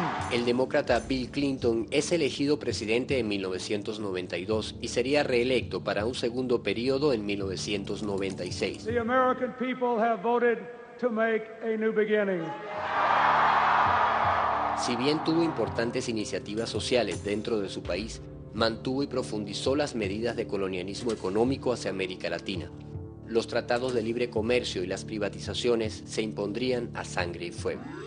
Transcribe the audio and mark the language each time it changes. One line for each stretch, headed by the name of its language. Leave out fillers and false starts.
Spanish: El demócrata Bill Clinton es elegido presidente en 1992 y sería reelecto para un segundo periodo en 1996.
English: The American people have voted to make a new beginning.
Spanish: Si bien tuvo importantes iniciativas sociales dentro de su país, mantuvo y profundizó las medidas de colonialismo económico hacia América Latina, los tratados de libre comercio y las privatizaciones se impondrían a sangre y fuego.